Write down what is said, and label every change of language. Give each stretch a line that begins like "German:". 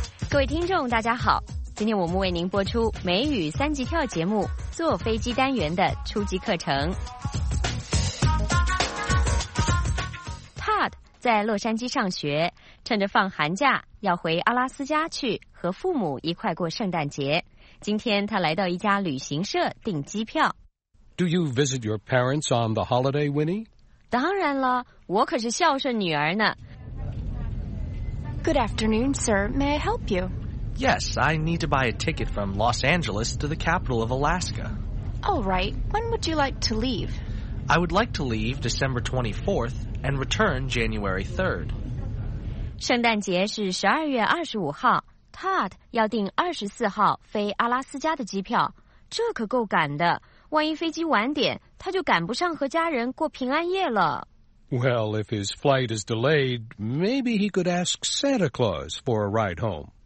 Chinese: 各位听众大家好，今天我们为您播出美语三级跳节目坐飞机单元的初级课程。在洛杉矶上学，趁着放寒假要回阿拉斯加去和父母一块过圣诞节。今天他来到一家旅行社订机票。
English: Do you visit your parents on the holiday, Winnie?
Chinese: 当然了，我可是孝顺女儿呢。
English: Good afternoon, sir. May I help you? Yes, I need to buy a ticket from Los Angeles to the capital of Alaska. All right. When would you like to leave? I would like to leave December 24th and return January 3rd.
Chinese: 圣诞节是12月25号， Todd 要订24号飞阿拉斯加的机票，这可够赶的，万一飞机晚点，他就赶不上和家人过平安夜了。
English: Well, if his flight is delayed, maybe he could ask Santa Claus for a ride home.